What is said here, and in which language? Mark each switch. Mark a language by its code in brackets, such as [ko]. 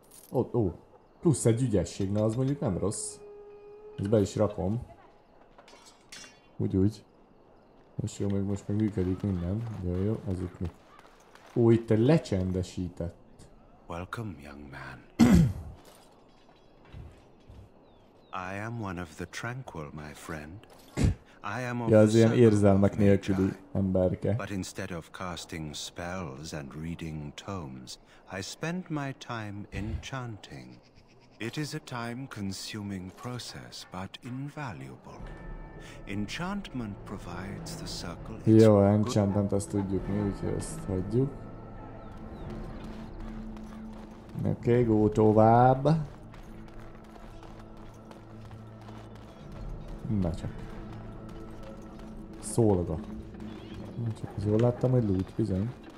[hu] Ott, ó, plusz egy ügyesség, na az mondjuk nem rossz. Ezt be is rakom. Úgy. Most jó, meg most meg működik minden. Jó, ez itt mi. Ó, itt egy lecsendesített. [en] Welcome, young man. I am one of the tranquil, my friend. I am of the magyar, but instead of casting spells and reading tomes, I spend my time enchanting. It is a time-consuming process, but invaluable. Enchantment provides the circle. [hu] Jó, enchantment, azt tudjuk mi, úgyhogy ezt hagyjuk. Oké, [en] okay, go [hu] tovább. Na csak. Szólaga. Na csak, az jól láttam, hogy loot bizony.